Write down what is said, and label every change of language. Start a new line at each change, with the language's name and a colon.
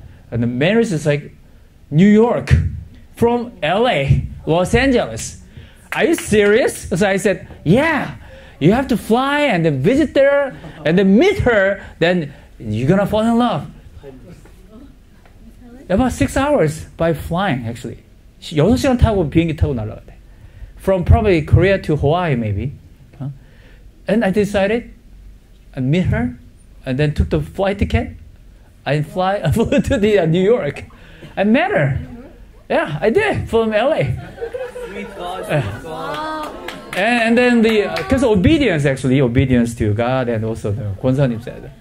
English: And the marriage is like New York, from LA, Los Angeles. Are you serious? So I said, yeah, you have to fly and then visit there and then meet her, then you're gonna fall in love. About 6 hours by flying, actually.
Korean: 6시간 타고 비행기 타고 날아가야 돼.
English: From probably Korea to Hawaii, maybe. And I decided, I meet her, and then took the flight ticket. I flew to the New York. I met her. Yeah, I did, from LA. Because obedience, actually, obedience to God and also the 권사님 said.